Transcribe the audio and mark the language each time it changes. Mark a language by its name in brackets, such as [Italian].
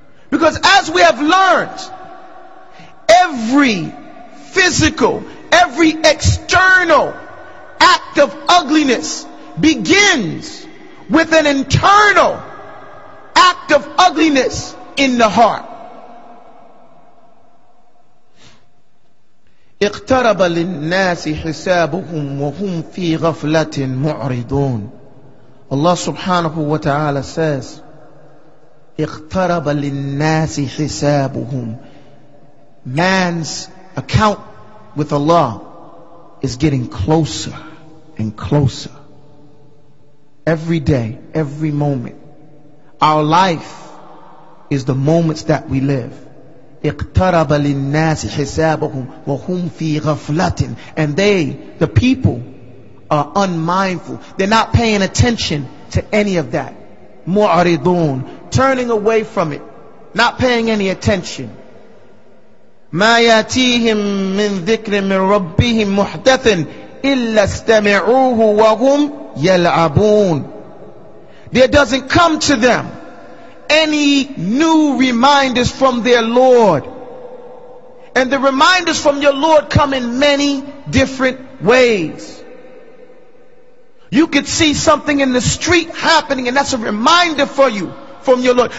[English] Because as we have learned, every physical, every external act of ugliness begins with an internal act of ugliness in the heart. [Arabic] اقترب للناس حسابهم وهم في غفلة معرضون. [English] Allah subhanahu wa ta'ala says, [Arabic] اقترب للناس حسابهم. [English] Man's account with Allah is getting closer and closer. Every day, every moment. Our life is the moments that we live. [Arabic] اقترب للناس حسابهم وهم في غفلة. [English] And they, the people, are unmindful. They're not paying attention to any of that. معرضون, turning away from it, not paying any attention. [Arabic] ما ياتيهم من ذكر من ربهم محدث إلا استمعوه وهم يلعبون. [English] There doesn't come to them any new reminders from their Lord. And the reminders from your Lord come in many different ways. You could see something in the street happening, and that's a reminder for you from your Lord.